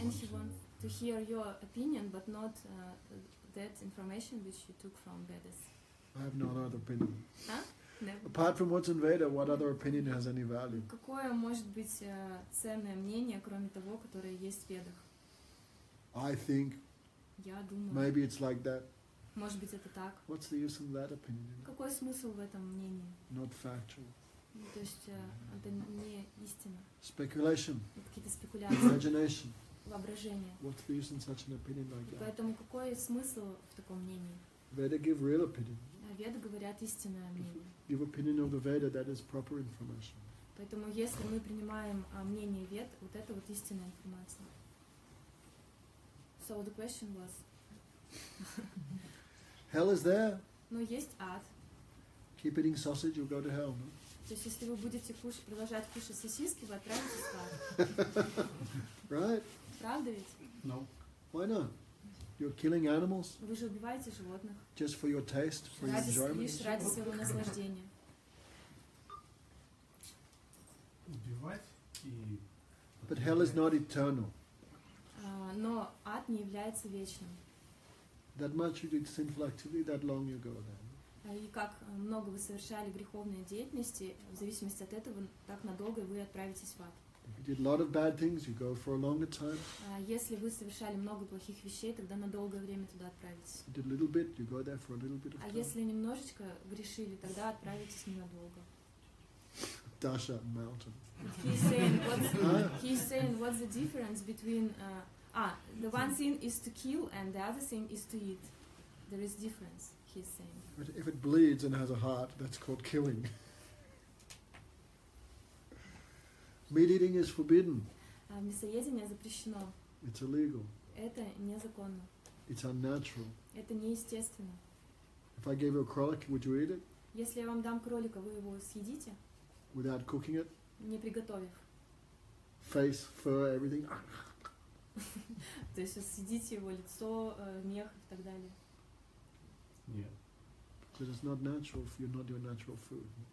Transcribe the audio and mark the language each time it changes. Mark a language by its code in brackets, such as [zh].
[en] And she wants to hear your opinion, but not that information which you took from Vedas. I have no other opinion. Huh? Apart from what's in Veda, what other opinion has any value? [ru] Какое может быть ценное мнение, кроме того, которое есть в Ведах? [en] I think. [ru] Я думаю. [en] Maybe it's like that. [ru] Может быть это так. [en] What's the use of that opinion? [ru] Какой смысл в этом мнении? [en] Not factual. [ru] То есть это не истина. [en] Speculation. [ru] Какие-то спекуляции. [en] Imagination. [ru] Воображение. [en] What's the use in such an opinion like that? [ru] Поэтому какой смысл в таком мнении? [en] Veda give real opinion. [ru] Веды говорят истинное мнение. [en] Give opinion of the Veda, that is proper information. [ru] Поэтому если мы принимаем мнение Вед, вот это вот истинная информация. [en] So the question was. Hell is there. [ru] Ну есть ад. [en] Keep eating sausage, you'll go to hell, no? [ru] То есть если вы будете продолжать кушать сосиски, вы отправитесь в ад. [en] Right? [ru] Правда ведь? [en] No. Why not? You're killing animals? [ru] Вы же убиваете животных. [en] Just for your taste, for your enjoyment? [ru] Лишь ради своего наслаждения. Убивать и... [en] But hell is not eternal. [ru] Но ад не является вечным. [en] That much you did sinful activity, that long you go there. [ru] и как много вы совершали греховной деятельности, в зависимости от этого, так надолго вы отправитесь в ад. [en] If you did a lot of bad things, you go for a longer time. [ru] Если вы совершали много плохих вещей, тогда на долгое время туда отправитесь. [en] If you did a little bit, you go there for a little bit of time. [ru] А если немножечко грешили, тогда отправитесь ненадолго. [en] Dasha mountain. He's saying, what's the difference between the one thing is to kill and the other thing is to eat. There is difference, he's saying. But if it bleeds and has a heart, that's called killing. Meat eating is forbidden. [ru] Мясоедение запрещено. [en] It's illegal. [ru] Это незаконно. [en] It's unnatural. [ru] Это неестественно. [en] If I gave you a кролик, would you eat it? [ru] Если я вам дам кролика, вы его съедите? [en] Without cooking it? [ru] Не приготовив. [en] Face, fur, everything. [ru] То есть съедите его лицо, мех и так далее. Нет. [en] Because it's not natural. You're not your natural food.